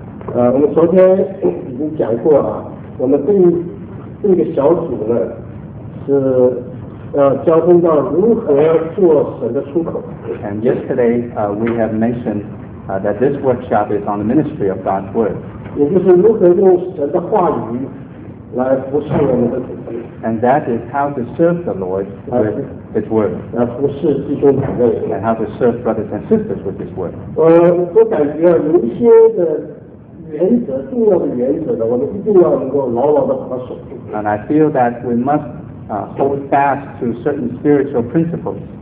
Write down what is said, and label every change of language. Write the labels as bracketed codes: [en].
[zh] 我们昨天已经讲过啊，我们这个小组呢是要交通到如何做神的出口。 [en] And yesterday, we have mentioned, that this workshop is on the ministry of God's word. [zh] 也就是如何用神的话语来服侍我们的主。 [en] And that is how to serve the Lord with His word. [zh] 来服侍弟兄姊妹。 [en] And how to serve brothers and sisters with His word. [zh] 我感觉啊，有一些的。原则重要的原则呢，我们一定要能够牢牢地把它守住。 [en] And I feel that we must hold fast to certain spiritual principles.